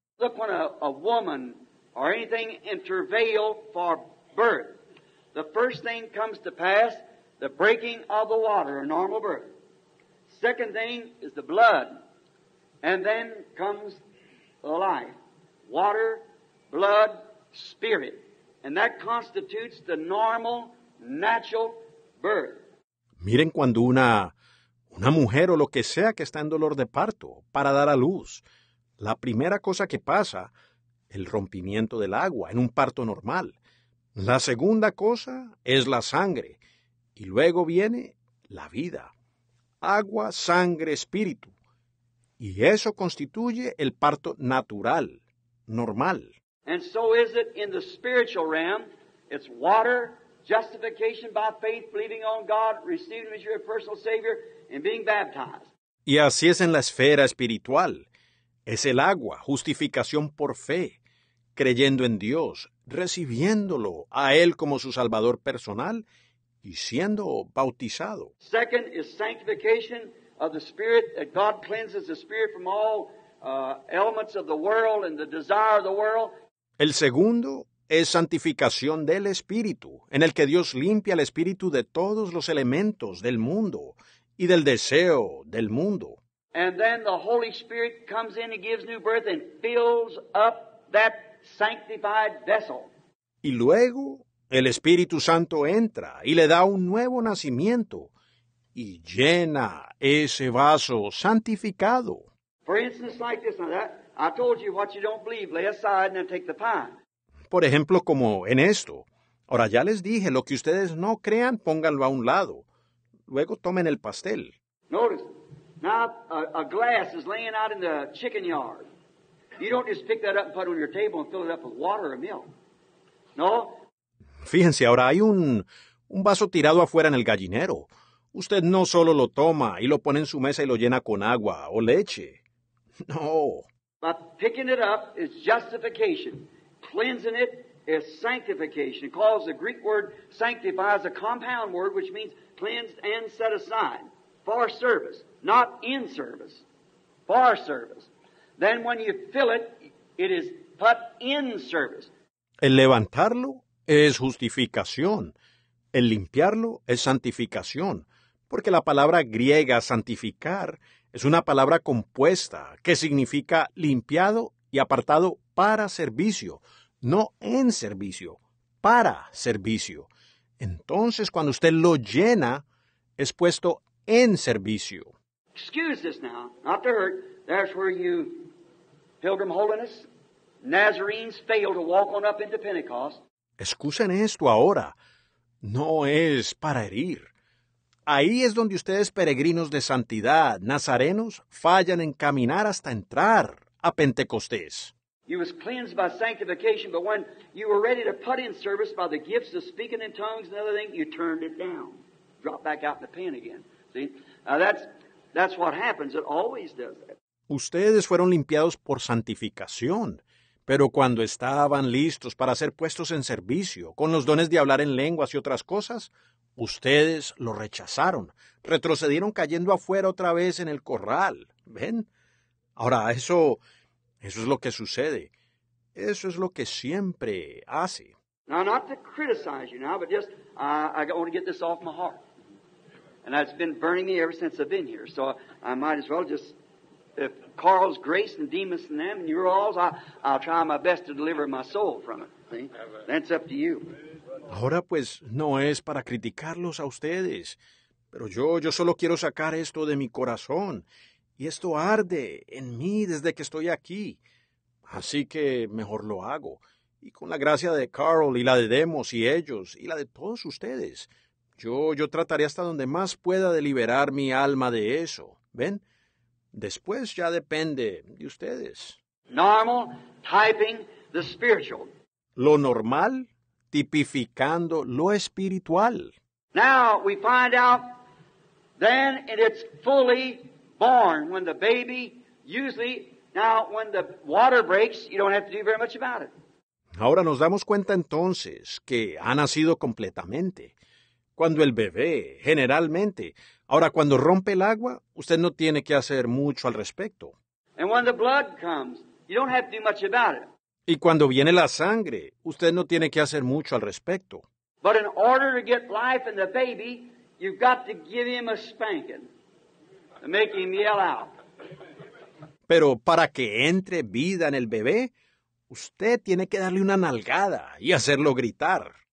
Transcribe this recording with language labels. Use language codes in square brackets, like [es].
[en] Look when a woman or anything in travail for birth, the first thing comes to pass, the breaking of the water, a normal birth. Second thing is the blood, and then comes the life. Water, blood, spirit, and that constitutes the normal natural birth. [es] Miren cuando una mujer o lo que sea que está en dolor de parto para dar a luz, la primera cosa que pasa, el rompimiento del agua en un parto normal. La segunda cosa es la sangre y luego viene la vida. Agua, sangre, espíritu. Y eso constituye el parto natural, normal. [en] And so is it in the spiritual realm. It's water, justification by faith, believing on God, receiving Him as your personal Savior, and being baptized. [es] Y así es en la esfera espiritual. Es el agua, justificación por fe, creyendo en Dios, recibiéndolo a Él como su Salvador personal y siendo bautizado. [en] Second is sanctification of the Spirit, that God cleanses the Spirit from all elements of the world and the desire of the world. [es] El segundo es santificación del Espíritu, en el que Dios limpia el Espíritu de todos los elementos del mundo y del deseo del mundo. [en] And then the Holy Spirit comes in and gives new birth and fills up that sanctified vessel. [es] Y luego el Espíritu Santo entra y le da un nuevo nacimiento y llena ese vaso santificado. [en] For instance, like this, now that I told you what you don't believe, lay aside and take the pine. [es] Por ejemplo, como en esto. Ahora ya les dije, lo que ustedes no crean, pónganlo a un lado. Luego tomen el pastel. [en] Notice, now a glass is laying out in the chicken yard. You don't just pick that up and put it on your table and fill it up with water or milk. No. [es] Fíjense, ahora hay un vaso tirado afuera en el gallinero. Usted no solo lo toma y lo pone en su mesa y lo llena con agua o leche. No. [en] But picking it up is justification. Cleansing it is sanctification. It calls the Greek word sanctifies a compound word which means cleansed and set aside for service, not in service, for service. Then when you fill it, it is put in service. [es] El levantarlo es justificación. El limpiarlo es santificación. Porque la palabra griega santificar es una palabra compuesta que significa limpiado y apartado para servicio. No en servicio, para servicio. Entonces, cuando usted lo llena, es puesto en servicio. [en] Excuse this now, not to hurt. That's where you, Pilgrim Holiness, Nazarenes fail to walk on up into Pentecost. [es] Escuchen esto ahora. No es para herir. Ahí es donde ustedes, peregrinos de santidad, nazarenos, fallan en caminar hasta entrar a Pentecostés. [en] You was cleansed by sanctification, but when you were ready to put in service by the gifts of speaking in tongues and other things, you turned it down. Drop back out in the pen again. See? Now that's what happens. It always does that. [es] Ustedes fueron limpiados por santificación, pero cuando estaban listos para ser puestos en servicio, con los dones de hablar en lenguas y otras cosas, ustedes lo rechazaron. Retrocedieron cayendo afuera otra vez en el corral. ¿Ven? Ahora, eso es lo que sucede. Eso es lo que siempre hace. [en] Now, not to criticize you now, but just I want to get this off my heart. And it's been burning me ever since I've been here, so I might as well just... If Carl's Grace and Demas and them and you're alls, I'll try my best to deliver my soul from it. See? That's up to you. [es] Ahora pues, no es para criticarlos a ustedes, pero yo solo quiero sacar esto de mi corazón. Y esto arde en mí desde que estoy aquí. Así que mejor lo hago. Y con la gracia de Carl y la de Demos y ellos y la de todos ustedes, yo trataré hasta donde más pueda de liberar mi alma de eso. ¿Ven? Después ya depende de ustedes. [en] Normal, typing the spiritual. [es] Lo normal, tipificando lo espiritual. [en] Now we find out, then it's fully born when the baby, usually, now when the water breaks, you don't have to do very much about it. [es] Ahora nos damos cuenta entonces que ha nacido completamente. Cuando el bebé, generalmente, ahora cuando rompe el agua, usted no tiene que hacer mucho al respecto. [en] And when the blood comes, you don't have to do much about it. [es] Y cuando viene la sangre, usted no tiene que hacer mucho al respecto. [en] But in order to get life in the baby, you've got to give him a spanking to make him yell out. [es] Pero para que entre vida en el bebé, usted tiene que darle una nalgada y hacerlo gritar.